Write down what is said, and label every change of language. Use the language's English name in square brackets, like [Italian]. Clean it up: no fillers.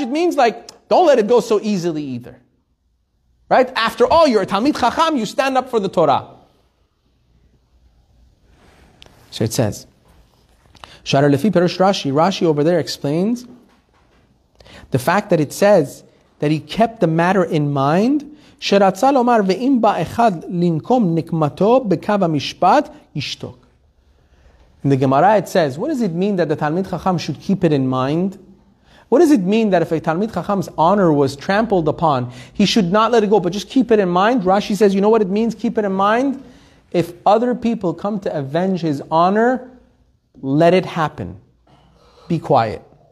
[English] It means like, don't let it go so easily either. Right? After all, you're a Talmid Chacham, you stand up for the Torah. So it says, Shara Lefi Perush Rashi. Rashi over there explains the fact that it says that he kept the matter in mind. [Hebrew] שרצה לומר ואם בא אחד לנקום נקמתו בקו המשפט ישתוק. [English] In the Gemara it says, what does it mean that the Talmid Chacham should keep it in mind? What does it mean that if a Talmid Chacham's honor was trampled upon, he should not let it go, but just keep it in mind? Rashi says, you know what it means, keep it in mind? If other people come to avenge his honor, let it happen. Be quiet.